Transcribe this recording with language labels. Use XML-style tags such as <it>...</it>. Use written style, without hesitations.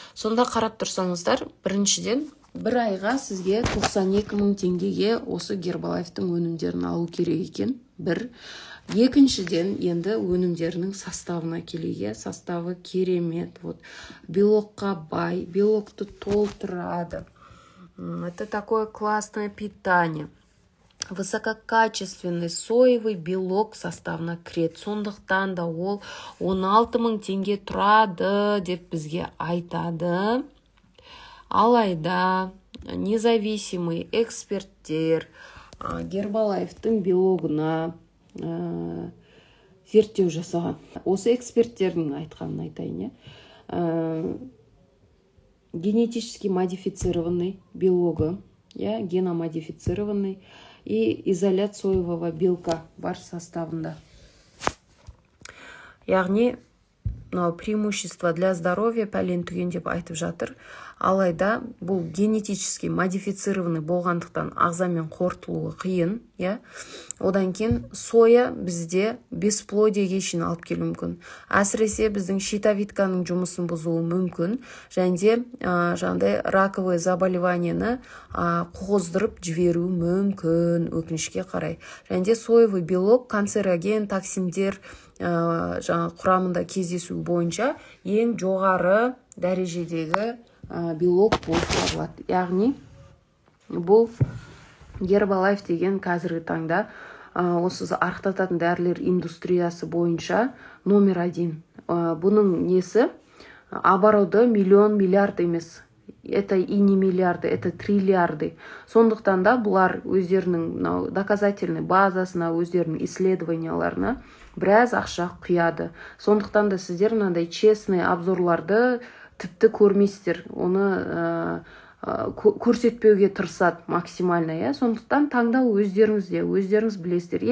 <kk>Сонда қарап тұрсаңыздар, біріншіден бір айға сізге 92 мың теңгеге осы Гербалайфтың өнімдерін алу керек екен. Бір. Екіншіден енді өнімдерінің составына келеге, составы керемет. Вот, белокқа бай, белокты толтырады.</kk> <ru>Это такое классное питание. Высококачественный соевый белок</ru> <kk>составына кіреді. Сондықтан да ол 16 мың теңге тұрады деп бізге айтады. Алайда независимый эксперттер Гербалайфтың белогына зерттеу жасаған. Осы эксперттердің айтқанын айтайын, е?</kk> <ru>Генетически модифицированный белогы, е? Геномодифицированный и изолят соевого белка</ru> <kk>бар составында. Яғни</kk> <ru>преимущества для здоровья</ru> <kk>пәлен түген деп айтып жатыр. Алайда бұл</kk> <ru>генетически модифицированный</ru> <kk>болғандықтан ағзамен қорытылуы қиын. Одан кейін соя бізде бесплодиеге шейін алып келу мүмкін. Әсіресе біздің щитовидканың жұмысын бұзуы мүмкін. Және жаңдай раковый заболеванияны қоздырып жіберуі мүмкін өкінішке қарай. Және соевый белок, канцероген, токсиндер құрамында кездесу бойынша ең жоғары дәрежедегі белок болып табылады. Яғни бұл Гербалайф деген қазіргі таңда осы арықтататын дәрілер индустриясы бойынша</kk> <ru>номер один.</ru> <kk>Бұның несі?</kk> <ru>Обороты миллион</ru> <kk>миллиард емес.</kk> <ru>Это и не миллиарды, это триллиарды.</ru> <kk>Сондықтан да бұлар өздерінің доказательный базасына, өздерінің исследованияларына біраз ақша құяды. Сондықтан да сіздер мынандай честный обзорларды тіпті көрмейсіздер. Оны көрсетпеуге тырысат максимально, я сондықтан таңдау өздеріңізде, өздеріңіз білесіздер.</kk>